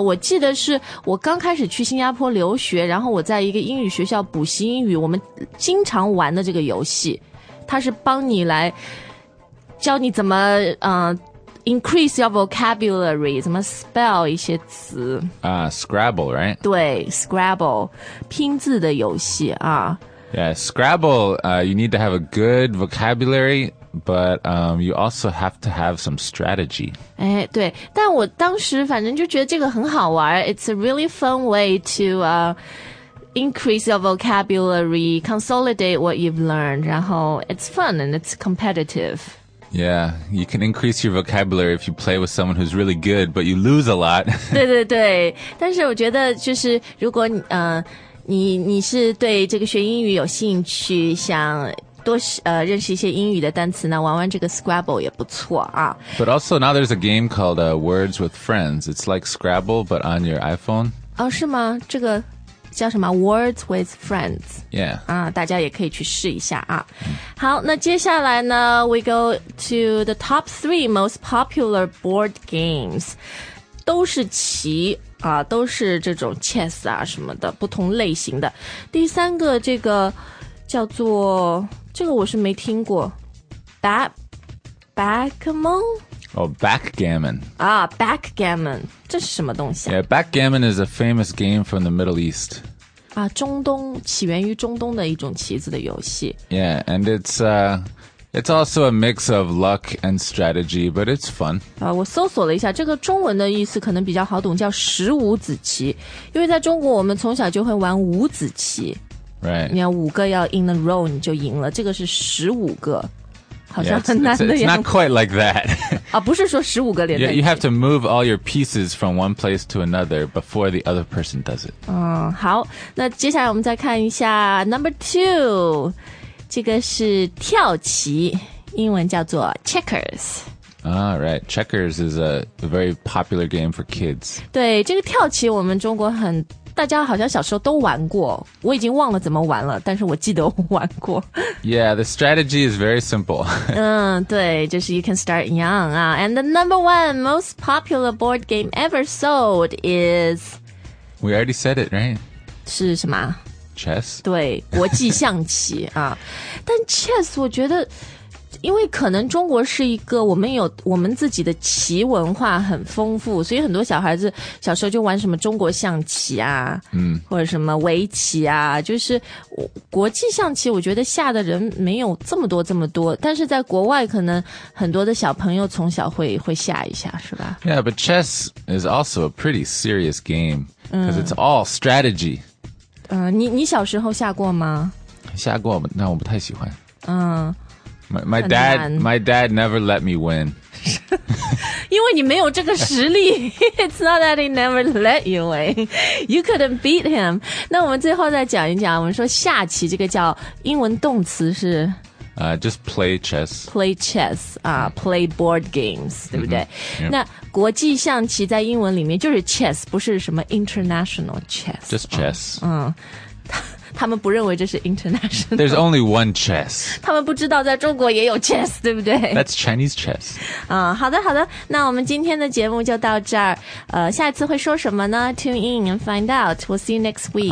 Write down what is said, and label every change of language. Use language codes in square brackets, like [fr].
[zh] 我记得是我刚开始去新加坡留学，然后我在一个英语学校补习英语，我们经常玩的这个游戏，它是帮你来教你怎么 [en] increase your vocabulary, [zh] 怎么 spell 一些词。 [en] Scrabble, right? [zh] 对 ,Scrabble, 拼字的游戏啊。 [en] Yeah, Scrabble, you need to have a good vocabulary, but you also have to have some strategy. [zh] 哎对，但我当时反正就觉得这个很好玩， [en] it's a really fun way to increase your vocabulary, consolidate what you've learned, [zh] 然后 [en] it's fun and it's competitive. Yeah, you can increase your vocabulary if you play with someone who's really good, but you lose a lot. [zh] 对对对，但是我觉得就是如果你是对这个学英语有兴趣，想多认识一些英语的单词呢，玩玩这个 Scrabble 也不错啊。 [en] But also now there's a game called Words with Friends. It's like Scrabble, but on your iPhone. [zh] 哦，是吗？这个叫什么 Words with Friends. [en] Yeah. [zh] 大家也可以去试一下啊。好，那接下来呢 [en] we go to the top three most popular board games. [zh] 都是棋啊，都是这种 chess 啊什么的，不同类型的。第三个这个叫做，这个我是没听过。 [en] Backgammon? Oh, backgammon. [zh] Ah, backgammon. 这是什么东西啊? [en] Yeah, backgammon is a famous game from the Middle East. [zh] 啊，中东，起源于中东的一种棋子的游戏。 [en] Yeah, and it's also a mix of luck and strategy, but it's fun. [zh] 啊，我搜索了一下，这个中文的意思可能比较好懂，叫十五子棋。因为在中国，我们从小就会玩五子棋。 [en] Right. [zh] 你要五个要 [en] in a row, [zh] 你就赢了。这个是十五个。好像很难的样子。 [en] Yeah, it's not quite like that. [zh] 啊，不是说15个连在一起。 [en] You have to move all your pieces from one place to another before the other person does it. [zh] 嗯，好，那接下来我们再看一下 number two， 这个是跳棋，英文叫做 checkers。 [en] All right. Checkers is a very popular game for kids. [zh] 对，这个跳棋我们中国很大家好像小时候都玩过，我已经忘了怎么玩了，但是我记得我玩过。 [en] Yeah, the strategy is very simple. [zh] 嗯，对，就是 [en] you can start young. And the number one most popular board game ever sold is... We already said it, right? [zh] 是什么？ [en] Chess? [zh] 对，国际象棋啊。但 Chess 我觉得因为可能中国是一个我们自己的棋文化很丰富，所以很多小孩子小时候就玩什么中国象棋啊，或者什么围棋啊，就是国际象棋我觉得下的人没有这么多，但是在国外可能很多的小朋友从小会下一下，是吧？ [en] Yeah, but chess is also a pretty serious game because it's all strategy. [zh] 你小时候下过吗？下过，但我不太喜欢。 [en] My dad never let me win. [zh] 因为你没有这个实力。 [en] It's not that he never let you win. You couldn't beat him. [zh] 那我们最后再讲一讲，我们说下棋这个叫英文动词是 [en] Just play chess. Play chess, play board games, [zh] 对不对？ Mm-hmm. [en] Yep. [zh] 那国际象棋在英文里面就是 chess, 不是什么 [en] international chess. Just chess. [zh] 他们不认为这是 international. [en] There's only one chess. [zh] 他们不知道在中国也有 chess, 对不对？ [en] That's Chinese chess. [zh] 好的好的，那我们今天的节目就到这儿。下一次会说什么呢？ [en] Tune in and find out. We'll see you next week.